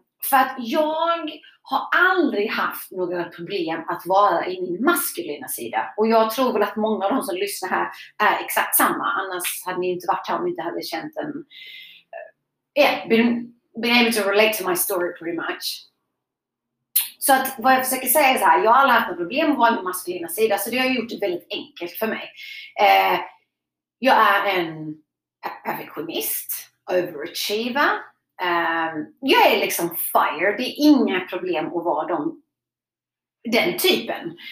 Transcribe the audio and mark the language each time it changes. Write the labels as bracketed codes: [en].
[sv] För att jag har aldrig haft några problem att vara i min maskulina sida. Och jag tror väl att många av de som lyssnar här är exakt samma. Annars hade ni inte varit här om ni inte hade känt en... [en] been able to relate to my story pretty much. [sv] Så att vad jag försöker säga är så här, jag har aldrig haft några problem med min maskulina sida, så det har gjort det väldigt enkelt för mig. Jag är en perfektionist, overachiever. Jag är liksom fire, det är inga problem att vara den typen.